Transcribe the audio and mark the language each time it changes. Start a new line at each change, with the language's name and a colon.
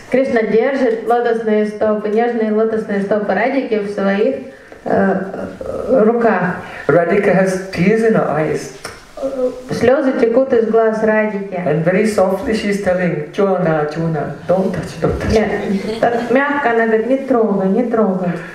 Russian: Krishna держит лотосные стопы, нежные лотосные стопы Радики в своих руках.
English: Radhika has tears in her eyes.
Russian: Слезы текут из глаз Радики.
English: And very softly she is telling, Chuna, Chuna, don't touch, don't touch.
Russian: Нет, так мягко она говорит, не трогай, не трогай.